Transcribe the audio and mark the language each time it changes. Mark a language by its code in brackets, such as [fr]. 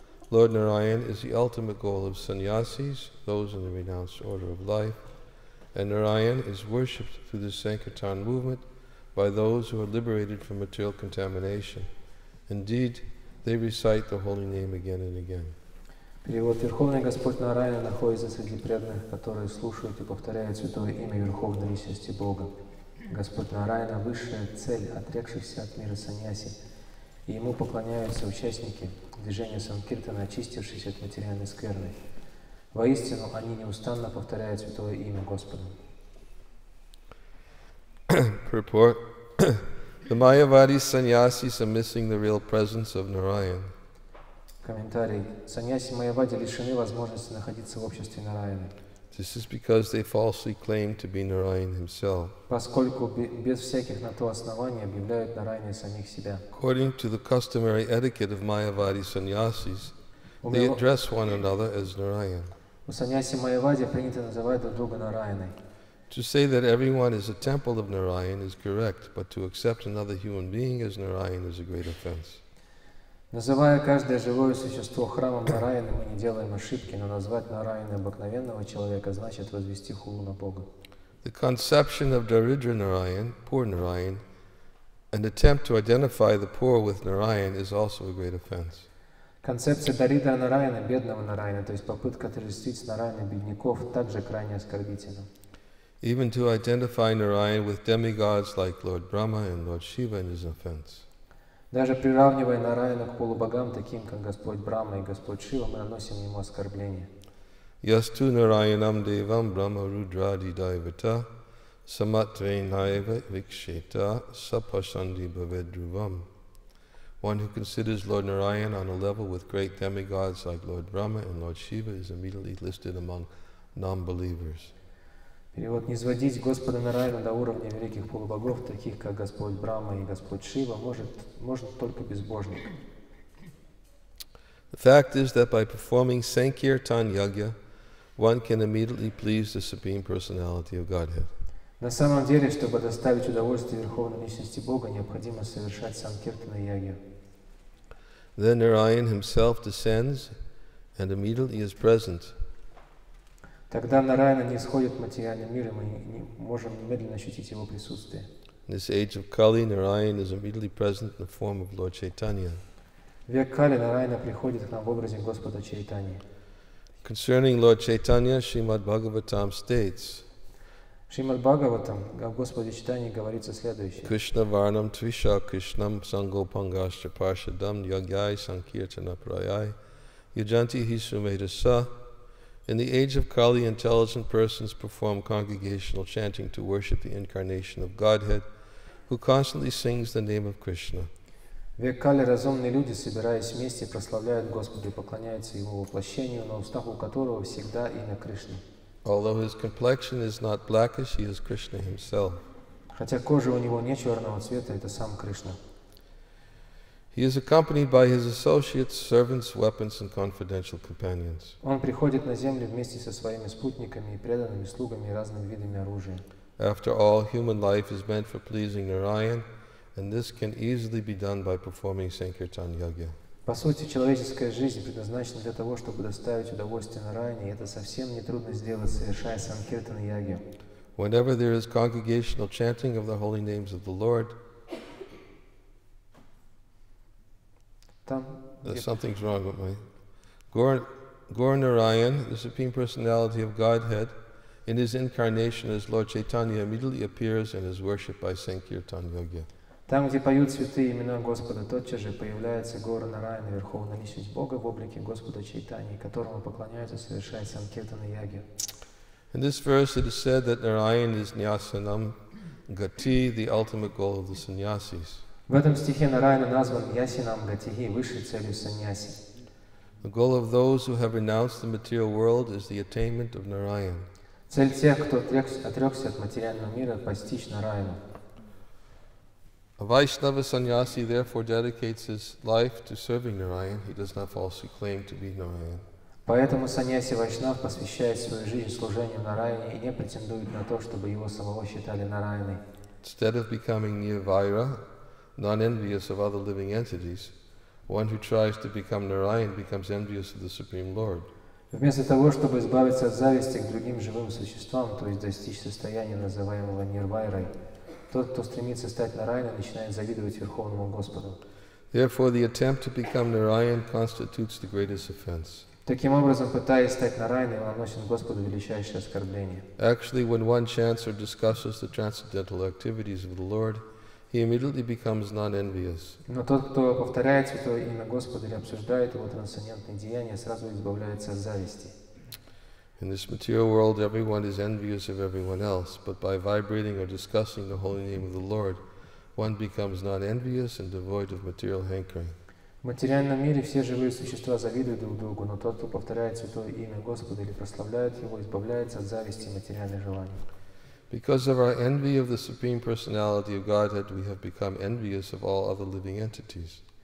[en] Lord Narayan is the ultimate goal of sannyasis, those in the renounced order of life, and Narayan is worshipped through the Sankirtan movement by those who are liberated from material contamination. Indeed, they recite the holy name again and again. [ru] Перевод. Верховный Господь Нараяна находится среди преданных, которые слушают и повторяют Святое Имя Верховной Личности Бога. Господь Нараяна – высшая цель отрекшихся от мира саньяси, и Ему поклоняются участники движения Санкиртана, очистившиеся от материальной скверны. Воистину, они неустанно повторяют Святое Имя Господа. [en] Purport. The Mayavadi sannyasis are missing the real presence of Narayan. [ru] Комментарий. Саньяси Майявади лишены возможности находиться в обществе Нараяны. [en] This is because they falsely claim to be Narayan himself. [ru] Поскольку без всяких на то оснований объявляют Нараяне самих себя. [en] According to the customary etiquette of Mayavadi sannyasis, they address one another as Narayan. [ru] У саньяси Майявади принято называть друг друга Нараяной. [en] To say that everyone is a temple of Narayan is correct, but to accept another human being as Narayan is a great offense. [ru] Называя каждое живое существо храмом Нараяны, мы не делаем ошибки, но назвать Нараяны обыкновенного человека значит возвести хулу на Бога. [en] The conception of Даридра Narayan, poor Narayan, an attempt to identify the poor with Narayan is also a great offense. [ru] Концепция Даридра Нараяна, бедного Нараяна, то есть попытка отождествить с Нараяной бедняков, также крайне оскорбительна. [en] Even to identify Narayan with demigods like Lord Brahma and Lord Shiva is an offense. [ru] Даже приравнивая Нараяну к полубогам, таким как Господь Брама и Господь Шива, мы наносим ему оскорбление. [sa] Ясту Нараянам девам Брама Рудради Дайвата Саматве Найва Викшета Сапашанди Бхаведрувам. [en] One who considers Lord Narayan on a level with great demigods like Lord Brahma and Lord Shiva is immediately listed among non-believers. [ru] Перевод. Низводить Господа Нараяну до уровня великих полубогов, таких как Господь Брама и Господь Шива, может только безбожник. [en] The fact is that by performing Sankirtan Yagya, one can immediately please the Supreme Personality of Godhead. [ru] На самом деле, чтобы доставить удовольствие Верховной Личности Бога, необходимо совершать Санкиртана Ягья. [en] Then Narayan himself descends and immediately is present. [ru] Тогда Нараяна не исходит в материальный мир, и мы не можем немедленно ощутить его присутствие. [en] In this age of Kali, Narayan is immediately present in the form of Lord Chaitanya. [ru] В век Кали Нараяна приходит к нам в образе Господа Чайтаньи. [en] Concerning Lord Chaitanya, Shrimad Bhagavatam states. [ru] В Шримад Бхагаватам о Господе Чайтанье говорится следующее. [sa] Кришна варнам твиша кришнам сангопангаща паршадам ягьяй санкиртана прайай яджанти хи сумедаса. [en] In the age of Kali, intelligent persons perform congregational chanting to worship the incarnation of Godhead, who constantly sings the name of Krishna. [ru] В век Кали разумные люди, собираясь вместе, прославляют Господа и поклоняются Его воплощению, на устах у которого всегда имя Кришна. [en] Although his complexion is not blackish, he is Krishna himself. [ru] Хотя кожа у него не черного цвета, это сам Кришна. [en] He is accompanied by his associates, servants, weapons, and confidential companions. [ru] Он приходит на землю вместе со своими спутниками и преданными слугами и разными видами оружия. [en] After all, human life is meant for pleasing Narayan, and this can easily be done by performing Sankirtan Yagya. [ru] По сути, человеческая жизнь предназначена для того, чтобы доставить удовольствие Нараяне, и это совсем не трудно сделать, совершая Санкиртан Ягью. [en] Whenever there is congregational chanting of the holy names of the Lord, something's wrong with me. Gaur Narayan, the Supreme Personality of Godhead, in his incarnation as Lord Chaitanya, immediately appears and is worshipped by Sankirtan Yagya. [ru] Там, где поют святые имена Господа, тотчас же появляется Гаур Нараяна, Верховная Личность Бога в облике Господа Чайтаньи, которому поклоняются, совершая Санкиртана Ягью. [en] In this verse it is said that Narayan is Nyasanam Gati, the ultimate goal of the sannyasis. [ru] В этом стихе Нараяна назван Ясинам Гатихи, высшей целью саньяси. [en] The goal of those who have renounced the material world is the attainment of Narayan. [ru] Цель тех, кто отрекся от материального мира, постичь Нараяну. [en] A Vaishnava sannyasi therefore dedicates his life to serving Narayan. He does not falsely claim to be Narayan. [ru] Поэтому саньяси вайшнав посвящает свою жизнь служению Нараяне и не претендует на то, чтобы его самого считали Нараяной. [en] Instead of becoming Nirvaira, non-envious of other living entities, one who tries to become Narayan becomes envious of the Supreme Lord. [ru] Вместо того, чтобы избавиться от зависти к другим живым существам, то есть достичь состояния, называемого Нирвайрой, тот, кто стремится стать Нараяной, начинает завидовать Верховному Господу. [en] Therefore, the attempt to become Narayan constitutes the greatest offense. [ru] Таким образом, пытаясь стать Нараяной, он наносит Господу величайшее оскорбление. [en] Actually, when one chants or discusses the transcendental activities of the Lord, he immediately becomes non-envious. [ru] Но тот, кто повторяет святое имя Господа или обсуждает его трансцендентные деяния, сразу избавляется от зависти. [en] In this material world, everyone is envious of everyone else, but by vibrating or discussing the holy name of the Lord, one becomes non-envious and devoid of material hankering. [ru] В материальном мире все живые существа завидуют друг другу, но тот, кто повторяет святое имя Господа или прославляет его, избавляется от зависти и материальных желаний. [en] Because of our envy of the Supreme Personality of Godhead, we have become envious of all other living entities.